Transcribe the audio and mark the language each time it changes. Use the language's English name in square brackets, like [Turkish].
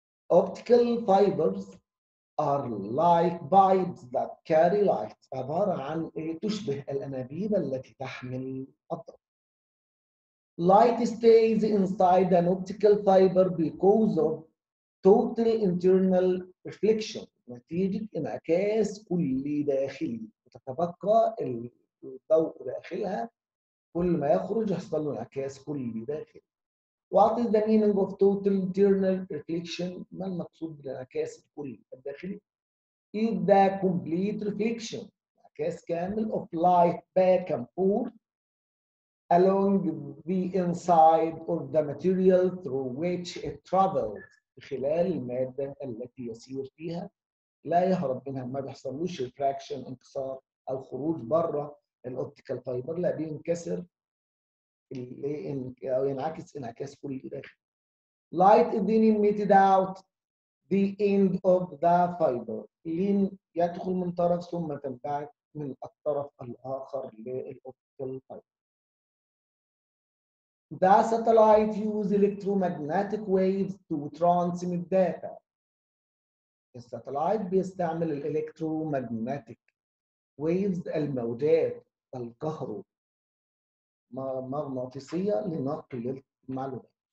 [English] Optical fibers are like bulbs that carry light. [Arabic] عبارة عن تشبه الأنابيب التي تحمل الضوء. [English] Light stays inside an optical fiber because of total internal reflection. [Arabic] نتيجة انعكاس كلي داخلي. تتبقى الضوء داخلها. كل ما يخرج يحصل انعكاس كلي داخلي. [English] What is the meaning of total internal reflection? [Arabic] ما المقصود بالانعكاس الكلي الداخلي؟ [English] Is the complete reflection. [Arabic] انعكاس كامل [English] of light back and forth along the inside of the material through which it traveled. [Arabic] خلال المادة التي يسير فيها لا يهرب منها، ما بيحصلوش refraction انكسار أو خروج بره الأوبتيكال فايبر، لا بينكسر أو ينعكس انعكاس كلي داخل. [English] Light is being emitted out the end of the fiber. [Arabic] لين يدخل من طرف ثم تنبعث من الطرف الآخر للأوبتيكال فايبر. [English] The satellite use electromagnetic waves to transmit data. [Arabic] الساتلايت بيستعمل الالكترومغناطيك ويفز، الموجات الكهرومغناطيسية لنقل المعلومات.